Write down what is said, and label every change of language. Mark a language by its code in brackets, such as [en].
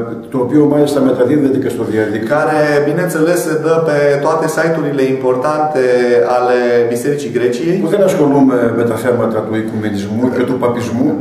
[el] Το οποίο μάλιστα μεταδίδεται και στο διαδίκτυο. [ro] Care, bineînțeles, se dă pe toate site-urile importante ale Bisericii Greciei. [el] Που δεν ασχολούμαι με τα θέματα του οικουμενισμού και του παπισμού.